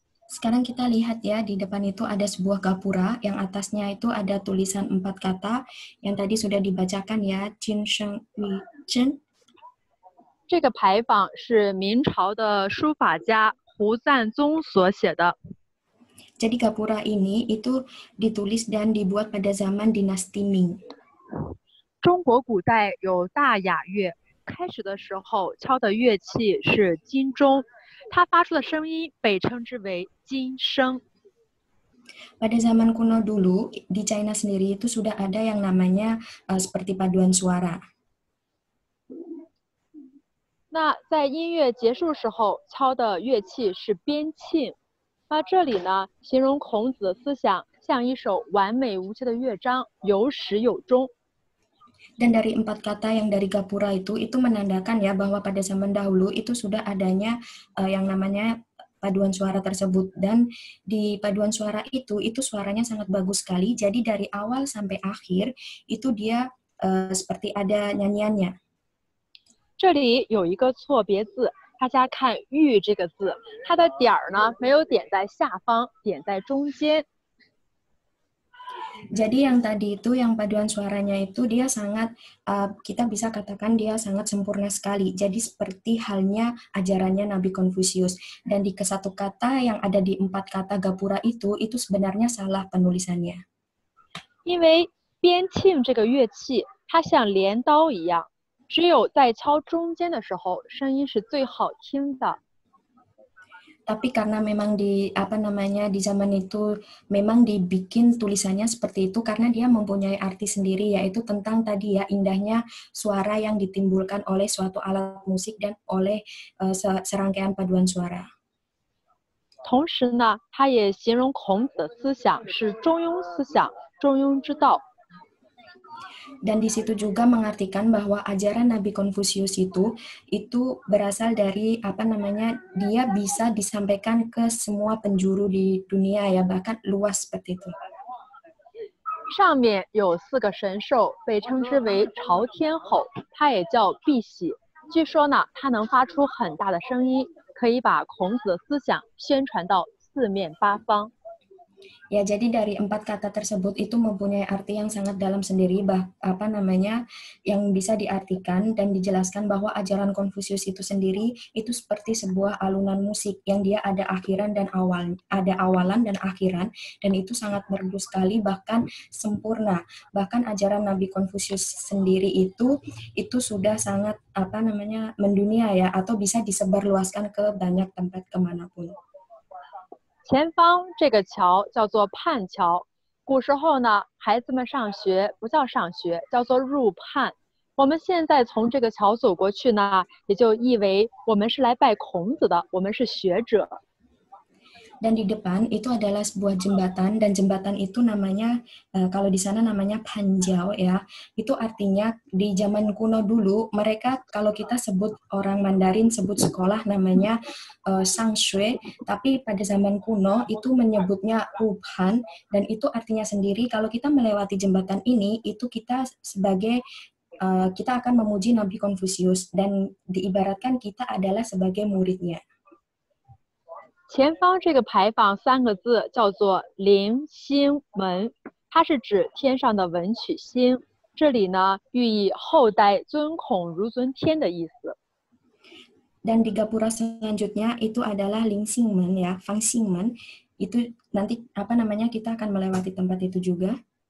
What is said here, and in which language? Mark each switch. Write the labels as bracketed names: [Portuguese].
[Indonesian] Sekarang kita lihat ya, di depan itu ada sebuah gapura, yang atasnya itu ada tulisan empat kata, yang tadi sudah dibacakan ya, Jin Sheng Yu Jin. [Chinese] 这个牌坊是明朝的书法家胡赞宗所写的。 [Indonesian] Jadi gapura ini itu ditulis dan dibuat pada zaman dinasti Ming. [Chinese] 中国古代有大雅乐，开始的时候敲的乐器是金钟。它发出的声音被称之为金声。 [Indonesian] Pada zaman kuno dulu di China sendiri itu sudah ada yang namanya seperti paduan suara。 [Chinese] 那在音乐结束时候敲的乐器是边磬。那这里呢，形容孔子的思想像一首完美无缺的乐章，有始有终。 [Indonesian] Dan dari empat kata yang dari gapura itu menandakan ya bahwa pada zaman dahulu itu sudah adanya yang namanya paduan suara tersebut. Dan di paduan suara itu suaranya sangat bagus sekali. Jadi dari awal sampai akhir itu dia seperti ada nyanyiannya. [Chinese] 这里有一个错别字，大家看玉这个字，它的点儿呢没有点在下方，点在中间。 [Indonesian] Jadi yang tadi itu yang paduan suaranya itu dia sangat kita bisa katakan dia sangat sempurna sekali. Jadi seperti halnya ajarannya Nabi Confucius dan di kesatu kata yang ada di empat kata gapura itu sebenarnya salah penulisannya. [Chinese] 因为边磬这个乐器它像镰刀一样，只有在敲中间的时候声音是最好听的。 [Indonesian] Tapi karena memang di apa namanya di zaman itu memang dibikin tulisannya seperti itu karena dia mempunyai arti sendiri yaitu tentang tadi ya indahnya suara yang ditimbulkan oleh suatu alat musik dan oleh serangkaian paduan suara. [Chinese] 同时呢，他也形容孔子的思想是中庸思想，中庸之道。 [Indonesian] Dan di situ juga mengartikan bahwa ajaran Nabi Confucius itu berasal dari apa namanya dia bisa disampaikan ke semua penjuru di dunia ya bahkan luas seperti itu. [Chinese] 上面有四个神兽，被称之为朝天吼，它也叫碧玺。据说呢，它能发出很大的声音，可以把孔子的思想宣传到四面八方。 [Indonesian] Ya, jadi dari empat kata tersebut itu mempunyai arti yang sangat dalam sendiri, apa namanya, yang bisa diartikan dan dijelaskan bahwa ajaran Confucius itu sendiri itu seperti sebuah alunan musik yang dia ada akhiran dan awal, ada awalan dan akhiran, dan itu sangat merdu sekali, bahkan sempurna. Bahkan ajaran Nabi Confucius sendiri itu sudah sangat, apa namanya, mendunia ya, atau bisa disebarluaskan ke banyak tempat kemanapun. [Chinese] 前方这个桥叫做畔桥，古时候呢，孩子们上学不叫上学，叫做入畔。我们现在从这个桥走过去呢，也就意为我们是来拜孔子的，我们是学者。 [Indonesian] Dan di depan itu adalah sebuah jembatan dan jembatan itu namanya kalau di sana namanya panjau ya itu artinya di zaman kuno dulu mereka kalau kita sebut orang Mandarin sebut sekolah namanya sangshui tapi pada zaman kuno itu menyebutnya ruhan dan itu artinya sendiri kalau kita melewati jembatan ini itu kita sebagai kita akan memuji Nabi Konfusius dan diibaratkan kita adalah sebagai muridnya. [Chinese] 前方这个牌坊三个字叫做灵星门，它是指天上的文曲星。这里呢，寓意后代尊孔如尊天的意思。 [Indonesian] Dan di gapura selanjutnya itu adalah Lingxingmen ya, Fangxingmen. Itu nanti apa namanya kita akan melewati tempat itu juga.